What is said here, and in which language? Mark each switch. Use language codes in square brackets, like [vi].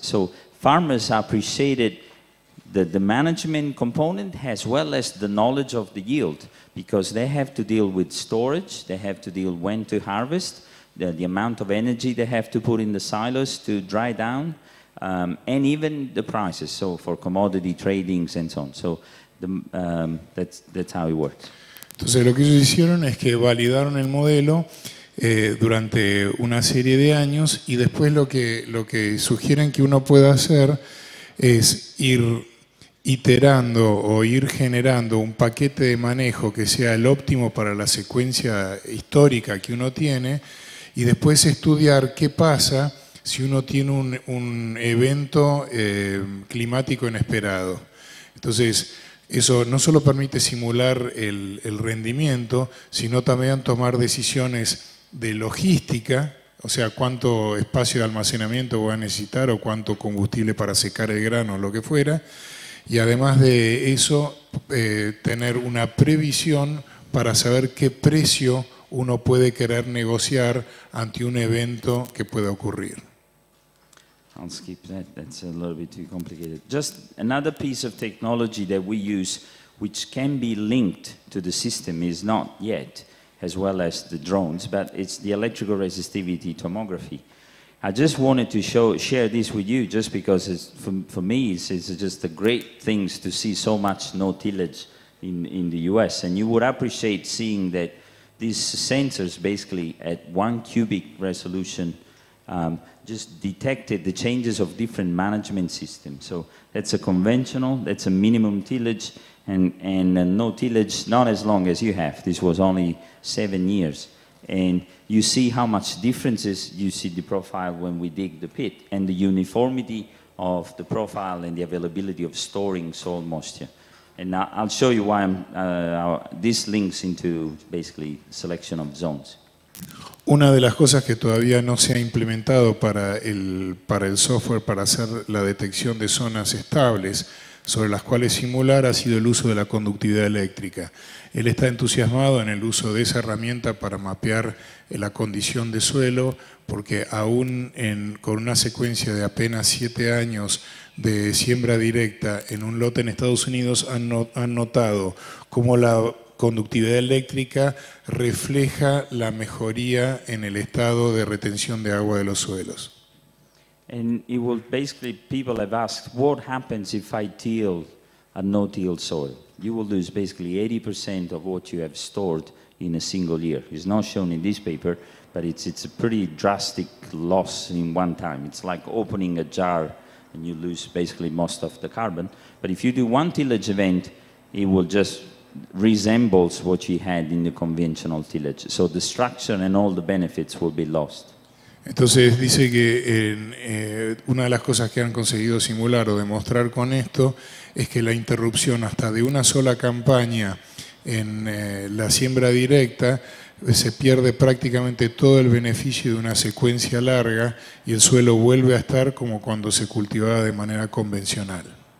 [en] So farmers appreciated the management component as well as the knowledge of the yield, because they have to deal with storage, they have to deal when to harvest, the amount of energy they have to put in the silos to dry down, and even the prices, so for commodity tradings and so on. So that's how it works. [es] Entonces lo que ellos hicieron es que validaron el modelo durante una serie de años, y después lo que sugieren que uno pueda hacer es ir iterando o ir generando un paquete de manejo que sea el óptimo para la secuencia histórica que uno tiene, y después estudiar qué pasa si uno tiene un evento climático inesperado. Entonces, eso no solo permite simular el rendimiento, sino también tomar decisiones de logística, o sea, cuánto espacio de almacenamiento voy a necesitar o cuánto combustible para secar el grano o lo que fuera. Y además de eso, tener una previsión para saber qué precio uno puede querer negociar ante un evento que pueda ocurrir. [en] I'll skip that. That's a little bit too complicated. Just another piece of technology that we use, which can be linked to the system is not yet, as well as the drones, but it's the electrical resistivity tomography. I just wanted to share this with you just because it's, for me it's just a great thing to see so much no-tillage in the US. And you would appreciate seeing that these sensors basically at one cubic resolution just detected the changes of different management systems. So that's a conventional, that's a minimum tillage, and no-tillage not as long as you have. This was only 7 years. And you see how much differences you see the profile when we dig the pit and the uniformity of the profile and the availability of storing soil moisture. And now I'll show you why this links into basically selection of zones. [es] Una de las cosas que todavía no se ha implementado para el software para hacer la detección de zonas estables sobre las cuales simular ha sido el uso de la conductividad eléctrica. Él está entusiasmado en el uso de esa herramienta para mapear la condición de suelo, porque aún con una secuencia de apenas 7 años de siembra directa en un lote en Estados Unidos, han notado cómo la conductividad eléctrica refleja la mejoría en el estado de retención de agua de los suelos. [en] And it will basically, people have asked, what happens if I till a no-till soil? You will lose basically 80% of what you have stored in a single year. It's not shown in this paper, but it's a pretty drastic loss in one time. It's like opening a jar and you lose basically most of the carbon. But if you do one tillage event, it will just resembles what you had in the conventional tillage. So the structure and all the benefits will be lost. [es] Entonces dice que una de las cosas que han conseguido simular o demostrar con esto es que la interrupción hasta de una sola campaña en la siembra directa se pierde prácticamente todo el beneficio de una secuencia larga y el suelo vuelve a estar como cuando se cultivaba de manera convencional.